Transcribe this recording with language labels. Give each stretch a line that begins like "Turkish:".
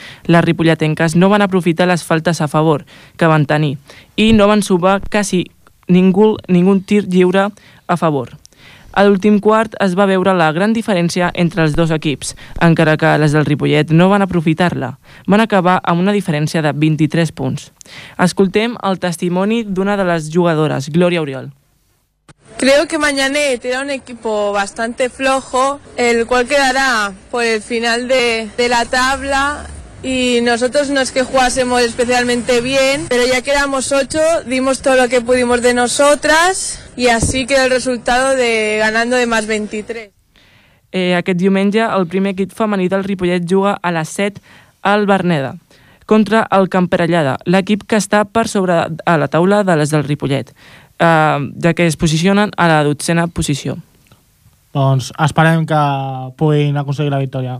Catalan: Les ripolletenques no van aprofitar les faltes a favor que van tenir i no van sumar quasi ningú tir lliure a favor. A l'últim quart es va veure la gran diferència entre els dos equips, encara que les del Ripollet no van aprofitar-la. Van acabar amb una diferència de 23 punts. Escoltem el testimoni d'una de les jugadores, Glòria Oriol.
Spanish: Creo que Mañanet era un equipo bastante flojo, el cual quedará por el final de la tabla. Y nosotros no es que jugásemos especialmente bien, pero ya que éramos 8, dimos todo lo que pudimos de nosotras y así quedó el resultado de ganando de más 23.
Catalan: Aquest diumenge, el primer equip femení del Ripollet juga a les 7 al Verneda contra el Camperellada, l'equip que està per sobre a la taula de les del Ripollet, ja que es posicionen a la 12a posició. Doncs esperem que puguin aconseguir la victòria.